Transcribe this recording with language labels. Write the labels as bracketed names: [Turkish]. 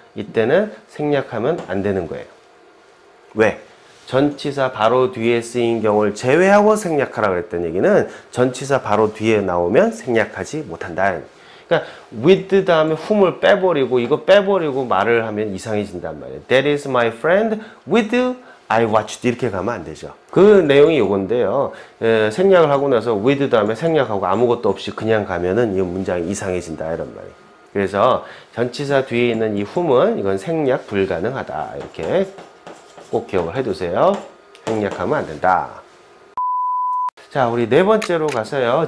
[Korean] 이때는 생략하면 안 되는 거예요. 왜? 전치사 바로 뒤에 쓰인 경우를 제외하고 생략하라 그랬던 얘기는 전치사 바로 뒤에 나오면 생략하지 못한다. 그러니까 with 다음에 whom을 빼버리고 이거 빼버리고 말을 하면 이상해진단 말이에요. [English] That is my friend with I watched [Korean] 이렇게 가면 안 되죠. 그 내용이 요건데요. 생략을 하고 나서 with 다음에 생략하고 아무것도 없이 그냥 가면은 이 문장이 이상해진다 이런 말이에요. 그래서 전치사 뒤에 있는 이 whom은 이건 생략 불가능하다 이렇게 꼭 기억을 해두세요. 생략하면 안 된다. 자, 우리 네 번째로 가서요.